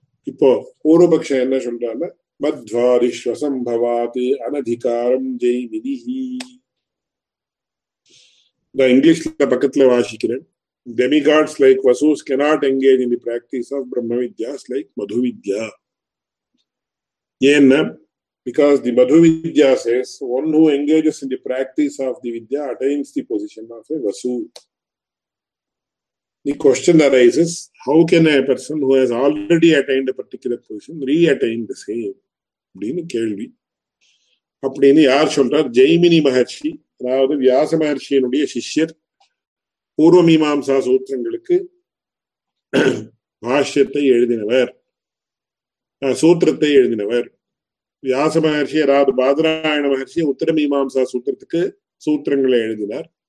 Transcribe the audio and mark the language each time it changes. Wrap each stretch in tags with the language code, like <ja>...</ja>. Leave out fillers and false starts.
<ta>இப்போ பூர்வபக்ஷம் என்ன சொல்றாங்க,</ta> <sa>மத்வாதிஸ்வசம் பவாத் அனதிகாரம் ஜெய் விதிஹி.</sa> <ta>நான் இங்கிலீஷ்ல பக்கத்துல வாசிக்கிறேன்,</ta> <en>Demigods like Vasus cannot engage in the practice of Brahma vidyas like Madhu Vidya. ஏன்னா because the madhu vidya says one who engages in the practice of the vidya attains the position of a vasu. The question arises, how can a person who has already attained a particular position re-attain the same?</en> <ta>அப்படின்னு கேள்வி. அப்படின்னு யார் சொல்றார், ஜெய்மினி மகர்ஷி அதாவது வியாச மகர்ஷியினுடைய சிஷ்யர் பூர்வ மீமாம்சா சூத்திரங்களுக்கு பாஷ்யத்தை எழுதினவர். சூத்திரத்தை எழுதினவர். வியாச மகர்ஷி அதாவது பாதராயண மகர்ஷி உத்தரமீமாம்சா சூத்திரத்துக்கு சூத்திரங்களை எழுதினார்.</ta>